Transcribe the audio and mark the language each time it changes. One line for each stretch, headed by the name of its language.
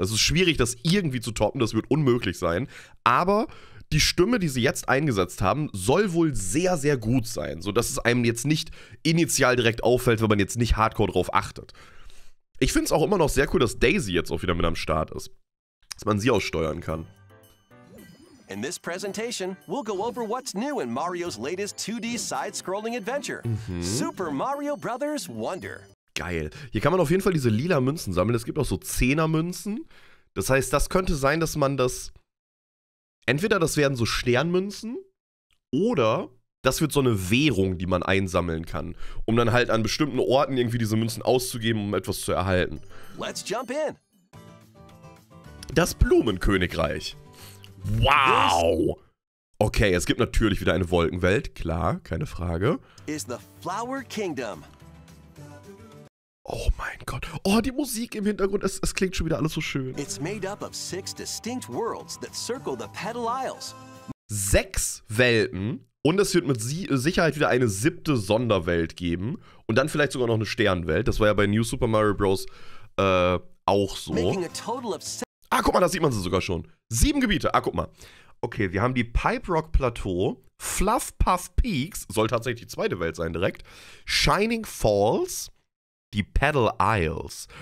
German: Es ist schwierig, das irgendwie zu toppen, das wird unmöglich sein. Aber die Stimme, die sie jetzt eingesetzt haben, soll wohl sehr, sehr gut sein. Sodass es einem jetzt nicht initial direkt auffällt, wenn man jetzt nicht hardcore drauf achtet. Ich finde es auch immer noch sehr cool, dass Daisy jetzt auch wieder mit am Start ist. Dass man sie aussteuern kann.
English: In this presentation, we'll go over what's new in Mario's latest 2D side-scrolling adventure. Super Mario Brothers Wonder.
German: Geil. Hier kann man auf jeden Fall diese lila Münzen sammeln. Es gibt auch so 10er Münzen. Das heißt, das könnte sein, dass man das, entweder das werden so Sternmünzen oder das wird so eine Währung, die man einsammeln kann, um dann halt an bestimmten Orten irgendwie diese Münzen auszugeben, um etwas zu erhalten.
English: Let's jump in.
German: Das Blumenkönigreich. Wow. Okay, es gibt natürlich wieder eine Wolkenwelt, klar, keine Frage.
English: Is the Flower Kingdom.
German: Oh mein Gott. Oh, die Musik im Hintergrund, es klingt schon wieder alles so schön.
English: It's made up of six distinct worlds that circle the Petal Isles.
German: Sechs Welten und es wird mit Sicherheit wieder eine siebte Sonderwelt geben und dann vielleicht sogar noch eine Sternwelt. Das war ja bei New Super Mario Bros. Auch so.
English: Making a total of
German: Ah, guck mal, da sieht man sie sogar schon. Sieben Gebiete, ah, guck mal. Okay, wir haben die Pipe Rock Plateau, Fluff Puff Peaks, soll tatsächlich die zweite Welt sein direkt, Shining Falls, die Petal Isles.